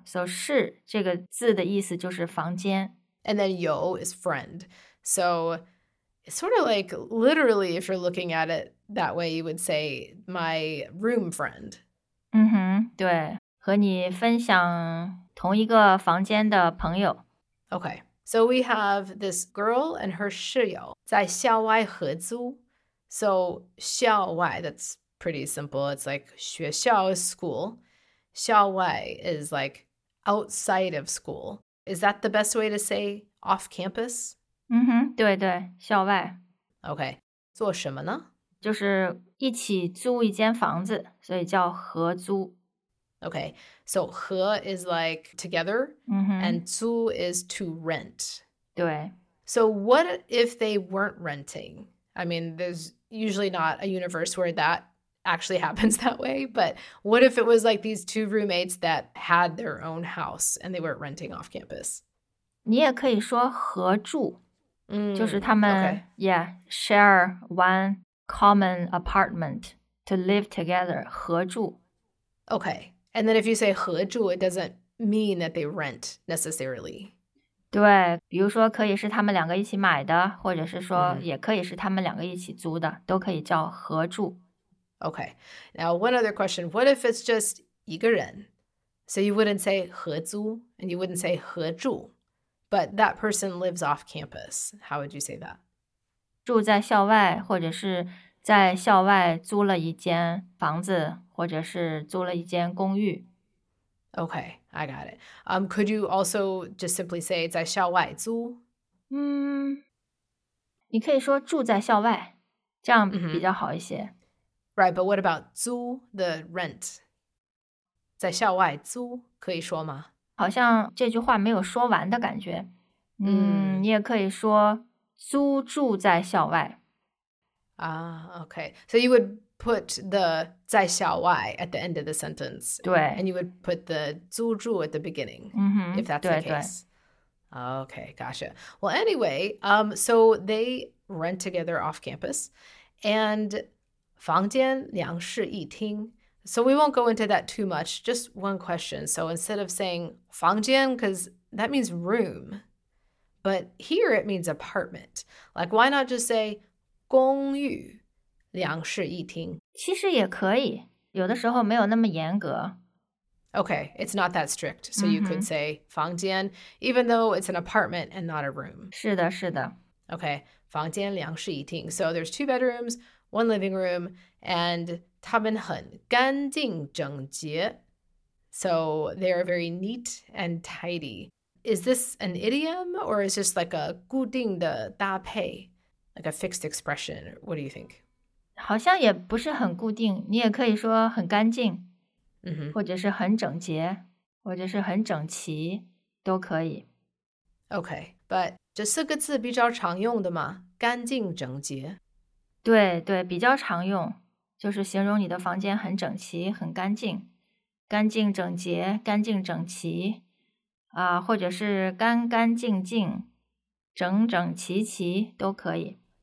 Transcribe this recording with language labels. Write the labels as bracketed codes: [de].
[zh] So 室这个字的意思就是房间。 [en] And then 友 is friend. So it's sort of like literally if you're looking at it that way, you would say my room friend. [zh] 嗯哼，对，和你分享同一个房间的朋友。 [en] Okay, so we have this girl and her [zh] 室友在校外合租。 [en] So 校外, that's pretty simple. It's like 学校 is school. 校外 is like outside of school. Is that the best way to say off campus? [zh] 嗯哼，对对，校外。 Okay, 做什么呢？就是一起租一间房子，所以叫合租。 [en] Okay, so 和 is like together, mm-hmm. and 租 is to rent. [zh] 对。 [en] So what if they weren't renting? I mean, there's usually not a universe where that actually happens that way, but what if it was like these two roommates that had their own house and they weren't renting off campus? [zh] 你也可以说合住。 Mm, 就是他们 [en] okay. yeah, share one common apartment to live together, 合住。 Okay, and then if you say 合住, it doesn't mean that they rent necessarily. [zh] 对,比如说可以是他们两个一起买的,或者是说也可以是他们两个一起租的,都可以叫合住。 [en] Okay, now one other question, what if it's just [zh] 一个人? [en] So you wouldn't say 合租, and you wouldn't say 合住, but that person lives off campus. How would you say that? [zh] 住在校外,或者是在校外租了一间房子。或者是租了一间公寓。 [en] Okay, I got it. Could you also just simply say [zh] 在校外租？你可以说住在校外，这样比较好一些。 [en] Mm-hmm. Right, but what about 租 the rent? [zh] 在校外租可以说吗？好像这句话没有说完的感觉。你也可以说租住在校外。 [en] Okay. So you would put the 在校外 at the end of the sentence. [zh] 对。 [en] And you would put the 租住 at the beginning, mm-hmm, if that's [zh] 对, [en] the case. Okay, gotcha. Well, anyway, so they rent together off campus. [zh] And 房间两室一厅。 [en] So we won't go into that too much. Just one question. So instead of saying 房间, because that means room, but here it means apartment. Like, why not just say [zh] 公寓两室一厅，其实也可以，有的时候没有那么严格。 [en] Okay, it's not that strict, so you could say 房间, even though it's an apartment and not a room. [zh] 是的，是的。 [en] Okay, [zh] 房间两室一厅。 [en] So there's two bedrooms, one living room, and [zh] 他们很干净整洁。 [en] So they are very neat and tidy. Is this an idiom or is this like a [zh] 固定的搭配? [en] Like a fixed expression, what do you think? [zh] 好像也不是很固定，你也可以说很干净、 mm-hmm. 或者是很整洁，或者是很整齐，都可以。 Okay, but 这四个字比较常用的嘛，干净整洁。对对，比较常用，就是形容你的房间很整齐，很干净，干净整洁，干净整齐啊，或者是干干净净，整整齐齐都可以。